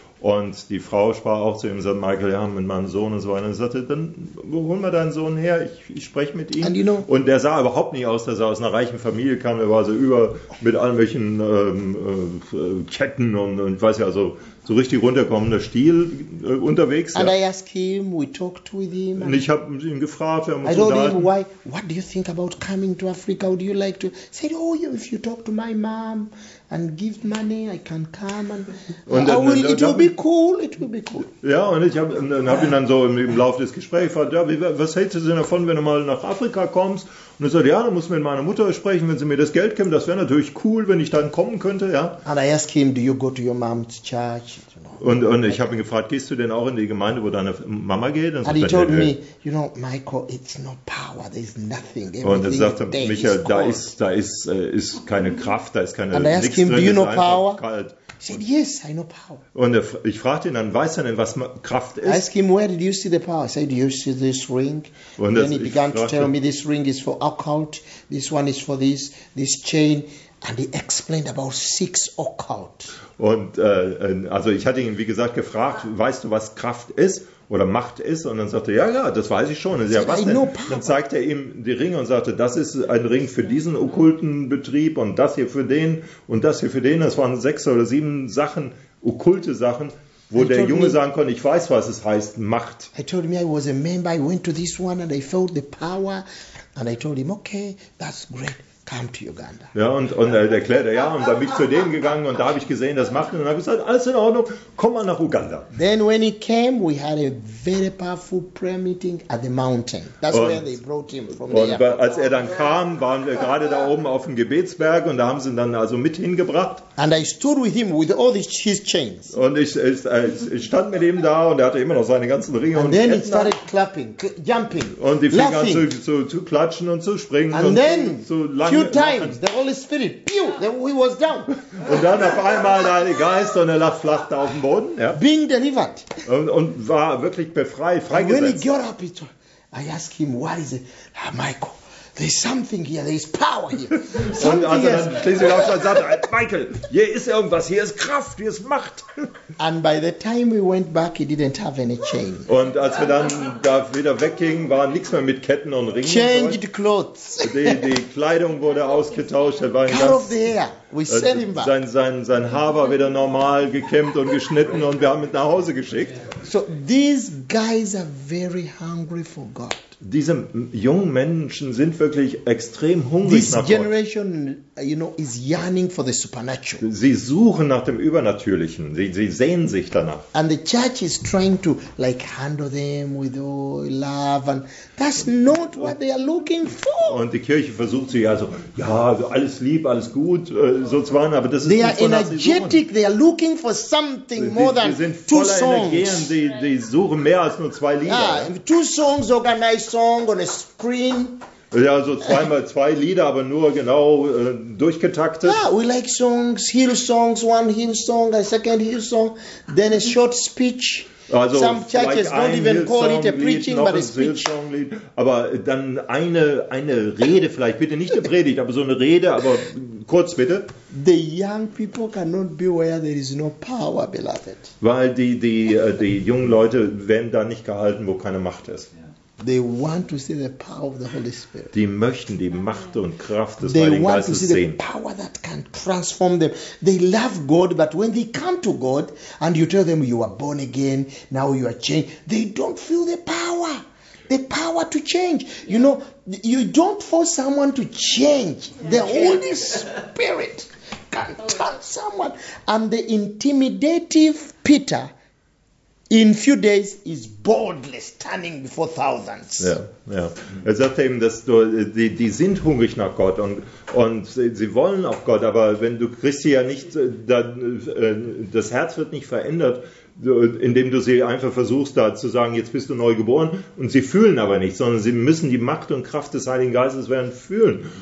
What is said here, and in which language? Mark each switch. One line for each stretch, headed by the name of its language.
German: Und die Frau sprach auch zu ihm und sagte, Michael, ja, mit meinem Sohn und so weiter. Und er sagte, dann hol mal deinen Sohn her, ich spreche mit ihm.
English: And you know,
German: und der sah überhaupt nicht aus, dass er aus einer reichen Familie kam. Er war so über mit allen möglichen Ketten und weiß ja, also so richtig runterkommender Stil unterwegs.
English: And
German: ja.
English: I asked him, we talked with him.
German: Und ich habe ihn gefragt, wir haben uns unterhalten.
English: I told him, why, what do you think about coming to Africa? Would you like to? He said, oh, if you talk to my mom and give money, I can come and it will be cool. It will be cool.
German: Ja, und ich habe ihn dann so im Laufe des Gesprächs gefragt, ja, was hältst du davon, wenn du mal nach Afrika kommst? Und er sagte, ja, dann muss ich mit meiner Mutter sprechen, wenn sie mir das Geld geben. Das wäre natürlich cool, wenn ich dann kommen könnte, ja.
English: And I asked him, do you go to your mom's church?
German: Und ich habe ihn gefragt, gehst du denn auch in die Gemeinde, wo deine Mama geht?
English: And he told me, you know, Michael, it's no power, there's nothing.
German: Und er sagte, Michael, da ist keine Kraft, da ist keine Licht.
English: And I asked him, do you know power?
German: Kalt.
English: He said, yes, I know power.
German: Und ich fragte ihn dann, weiß er denn, was Kraft ist?
English: I asked him, where did you see the power? I said, do you see this ring?
German: Und
English: then he began to tell me, this ring is for occult, this one is for this chain. And he explained about six occult.
German: Und also ich hatte ihn, wie gesagt, gefragt, weißt du, was Kraft ist oder Macht ist? Und dann sagte er, ja, das weiß ich schon. Und
English: said,
German: was denn? Dann zeigte er ihm die Ringe und sagte, das ist ein Ring für diesen okkulten Betrieb und das hier für den und das hier für den. Das waren sechs oder sieben Sachen, okkulte Sachen, wo der Junge sagen konnte, ich weiß, was es heißt, Macht.
English: I told him I was a member, I went to this one and I felt the power. And I told him, okay, that's great. Come to Uganda.
German: Ja, und er erklärte, ja, und dann bin ich zu dem gegangen und da habe ich gesehen, das macht und dann habe ich gesagt, alles in Ordnung, komm mal nach Uganda.
English: Then when he came, we had a very powerful prayer meeting at the mountain. That's
German: und,
English: where they brought him from
German: und
English: there.
German: Als er dann kam, waren wir gerade da oben auf dem Gebetsberg und da haben sie ihn dann also mit hingebracht.
English: And I stood with him with all his chains.
German: Und ich stand mit ihm da und er hatte immer noch seine ganzen Ringe.
English: And then he started clapping, jumping,
German: und die fing an zu klatschen und zu springen
English: and
German: und zu lachen.
English: Two times the Holy Spirit, pew, then he was down.
German: Und dann auf einmal der Heilige Geist und er lag flach da auf dem Boden. Ja.
English: Being delivered.
German: Und war wirklich befreit, freigesetzt.
English: And when he got up, I asked him, what is it? Ah, Michael, there's something here, there's power here.
German: Und also dann schließlich auch schon sagte, Michael, hier ist irgendwas, hier ist Kraft, hier ist Macht.
English: And by the time we went back, he didn't have any chain.
German: Und als wir dann da wieder weggingen, war nichts mehr mit Ketten und Ringen.
English: Changed clothes.
German: Die Kleidung wurde ausgetauscht. Er war
English: cut
German: ganz,
English: off the hair. We sent him back.
German: Sein Haar war wieder normal gekämmt und geschnitten und wir haben ihn nach Hause geschickt.
English: So these guys are very hungry for God.
German: Diese jungen Menschen sind wirklich extrem hungrig nach Gott.
English: This generation, you know, is yearning for the supernatural.
German: Sie suchen nach dem Übernatürlichen. Sie sehen sich danach.
English: And the church is trying to like handle them with all love, and that's not what they are looking for.
German: Und die Kirche versucht sie also, ja, alles lieb, alles gut, sozusagen, aber das ist
English: they
German: nicht, wonach sie suchen.
English: They are energetic. They are looking for something more than two songs.
German: Sie sind voller Energie. Sie suchen mehr als nur zwei Lieder. Ah,
English: two songs or a nice song on a screen.
German: Ja, so zweimal zwei Lieder, aber nur genau durchgetaktet.
English: Yeah, we like songs, Hill songs, one Hill song, a second Hill song, then a short speech. Also some churches don't even call it a preaching, but a speech.
German: Aber dann eine Rede vielleicht, bitte nicht eine Predigt, aber so eine Rede, aber kurz bitte.
English: The young people cannot be where there is no power, beloved.
German: Weil die jungen Leute werden da nicht gehalten, wo keine Macht ist.
English: They want to see the power of the Holy Spirit.
German: Die möchten die Macht und Kraft des Heiligen Geistes sehen.
English: They want to see the power that can transform them. They love God, but when they come to God and you tell them you are born again, now you are changed, they don't feel the power to change. You know, you don't force someone to change. The Holy Spirit can turn someone. And the intimidative Peter, in few days is boldly standing before thousands.
German: Ja, ja. Er sagt eben, dass die sind hungrig nach Gott und sie wollen auch Gott, aber wenn du kriegst sie ja nicht, dann das Herz wird nicht verändert, indem du sie einfach versuchst, da zu sagen, jetzt bist du neu geboren, und sie fühlen aber nicht, sondern sie müssen die Macht und Kraft des Heiligen Geistes werden fühlen.